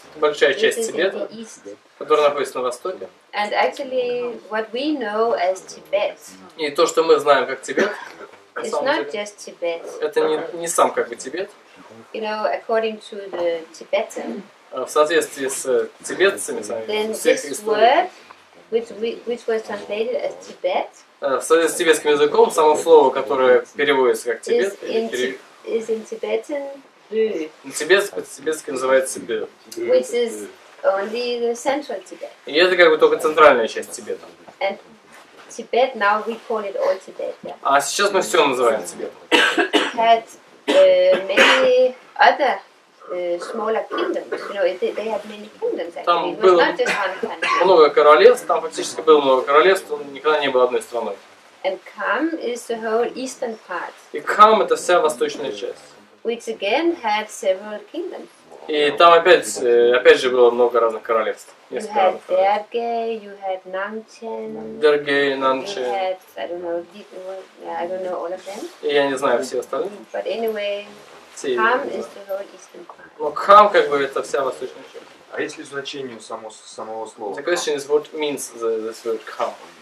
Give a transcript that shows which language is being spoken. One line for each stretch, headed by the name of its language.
Russian: Большая часть Тибета, которая находится на востоке.
English: And actually, what we know as Tibet.
Russian: И то, что мы знаем как Тибет.
English: It's not just Tibet.
Russian: Это не сам как бы Тибет.
English: You know, according to the Tibetan.
Russian: В соответствии с тибетцами сами.
English: Then this word, which was translated as Tibet.
Russian: В соответствии с тибетским языком само слово, которое переводится как Тибет.
English: Is in Tibetan.
Russian: Тибетский называется Тибет.
English: Which is only the central Tibet.
Russian: И это как бы только центральная часть Тибета.
English: And Tibet now we call it all Tibet. Yeah.
Russian: А сейчас мы все называем Тибетом.
English: Had many other smaller kingdoms. You know, they had many kingdoms actually.
Russian: Там было много королевств. Там фактически было много королевств, но никогда не было одной страной.
English: And Kham is the whole eastern part.
Russian: И Кам это вся восточная часть.
English: Which again had several kingdoms.
Russian: И там опять же было много разных королевств.
English: You had Derge, you had Nanchen. You had, I don't know all of them.
Russian: И я не знаю все остальные.
English: But anyway, Kham is the whole eastern part.
Russian: Ну, Kham как бы это вся восточная часть. А есть ли значение у самого слова?
English: The question is what means this word Kham?